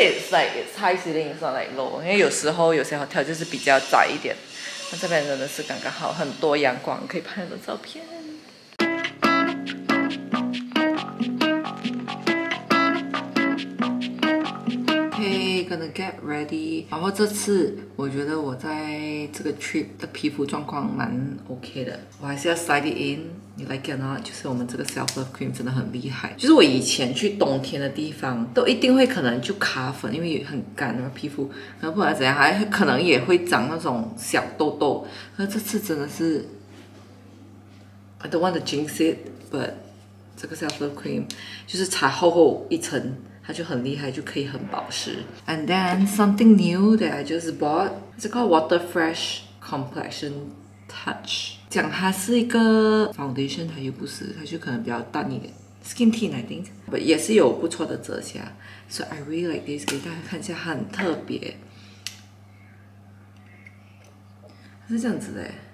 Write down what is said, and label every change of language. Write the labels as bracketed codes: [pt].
[en] It's like it's high ceiling, it's not like low. [zh] 因为有时候有些 hotel 就是比较窄一点。那这边真的是刚刚好，很多阳光，可以拍很多照片。 [en] Gonna get ready. [zh] 然后这次我觉得我在这个 trip 的皮肤状况蛮 OK 的，我还是要 [en] slide it in. You like it or not? [zh] 就是我们这个 self love cream 真的很厉害。就是我以前去冬天的地方都一定会可能就卡粉，因为很干，皮肤，然后不管怎样还可能也会长那种小痘痘。而这次真的是 [en] I don't want to jinx it, but [zh] 这个 self love cream 就是擦厚厚一层。它就很厉害，就可以很保湿。 [en] And then something new that I just bought, it's called Water Fresh Complexion Touch. [zh] 讲它是一个 foundation, 它又不是，它就可能比较淡一点。 [en] Skin tint, I think. [zh] But 也是有不错的遮瑕。 [en] So I really like this, [zh] 给大家看一下，它很特别。它是这样子的。